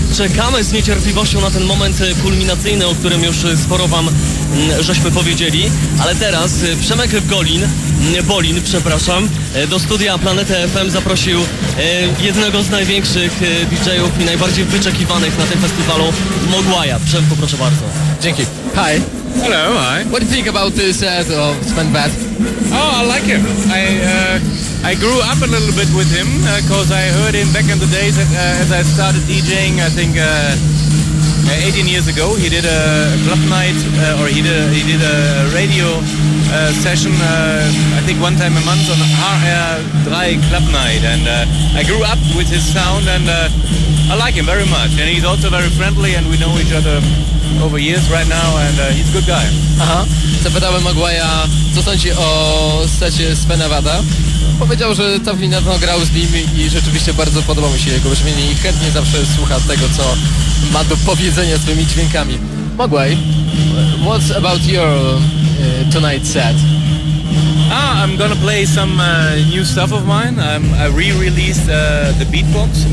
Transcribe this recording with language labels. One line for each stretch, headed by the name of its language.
Polish: Czekamy z niecierpliwością na ten moment kulminacyjny, o którym już sporo wam żeśmy powiedzieli. Ale teraz Przemek Bolin, do studia Planety FM zaprosił jednego z największych DJ-ów i najbardziej wyczekiwanych na tym festiwalu, Mogwaja. Przemku, proszę bardzo. Dzięki.
English: Hi. Hello, hi. What do you think about this set of Sven Vat? Oh, I like him. I grew up a little bit with him because I heard him back in the days as I started DJing, I think 18 years ago. He did a club night or he did a radio session I think one time a month on Dry Club Night, and I grew up with his sound, and I like him very much, and he's also very friendly, and we know each other over years right now, and he's a good guy.
Polish: Zapytałem Mogwaja, co sądzi o secie Svena Vata. Powiedział, że całkiem niedawno grał z nim i rzeczywiście bardzo podoba mi się jego brzmienie i chętnie zawsze słucha tego, co ma do powiedzenia swoimi dźwiękami.
English: Mogwaj, what's about your tonight set? Ah, I'm gonna play some new stuff of mine. I re-released the Beatbox.